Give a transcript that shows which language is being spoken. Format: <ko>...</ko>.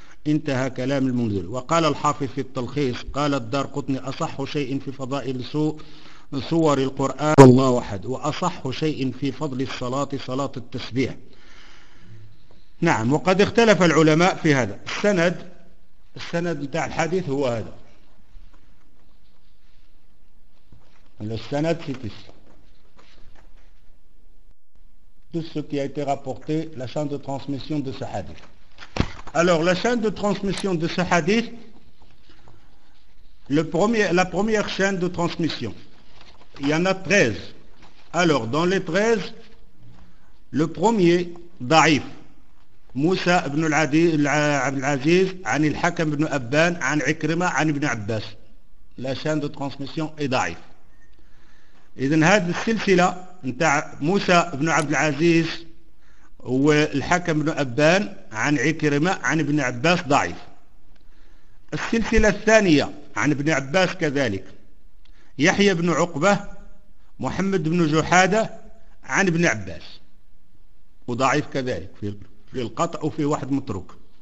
<ar>انتهى كلام المنذري وقال الحافظ في التلخيص قال الدارقطني أصح شيء في فضائل صور القرآن والله أحد وأصح شيء في فضل الصلاة صلاة التسبيح نعم وقد اختلف العلماء في هذا السند بتاع الحديث هو هذا</ar> <fr>Le sanad, c'est ici. Tout ce qui a été rapporté, la chaîne de transmission de ce hadith. Alors, la chaîne de transmission de ce hadith, la première chaîne de transmission, il y en a 13. Alors, dans les 13, le premier, Daif, Moussa ibn al-Aziz, an al-Hakam ibn Abban, an Ikrima, an ibn Abbas. La chaîne de transmission est Daif.</fr> <ar>إذن هذه السلسلة نتاع موسى بن عبد العزيز والحكم بن أبان عن عكرمة عن ابن عباس ضعيف السلسلة الثانية عن ابن عباس كذلك يحيى بن عقبة محمد بن جحادة عن ابن عباس وضعيف كذلك في القطع وفي واحد متروك</ar>